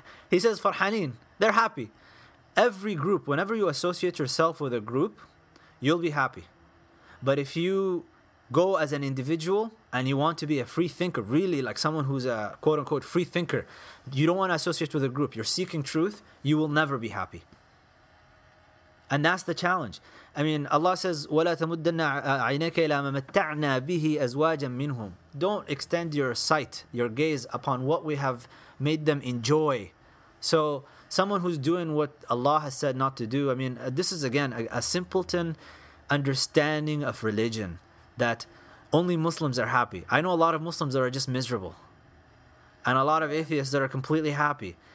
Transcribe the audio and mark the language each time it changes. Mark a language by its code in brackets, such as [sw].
[en] He says فَرْحَانِينَ, they're happy. Every group, whenever you associate yourself with a group, you'll be happy. But if you go as an individual and you want to be a free thinker, really like someone who's a quote-unquote free thinker, you don't want to associate with a group, you're seeking truth, you will never be happy. And that's the challenge. I mean, Allah says, [ar] وَلَا تَمُدَّنَّ عَيْنَكَ إِلَى مَمَتَّعْنَا بِهِ أَزْوَاجًا مِّنْهُمْ. [en] Don't extend your sight, your gaze, upon what we have made them enjoy. So someone who's doing what Allah has said not to do, I mean, this is again a simpleton understanding of religion, that only Muslims are happy. I know a lot of Muslims that are just miserable, and a lot of atheists that are completely happy.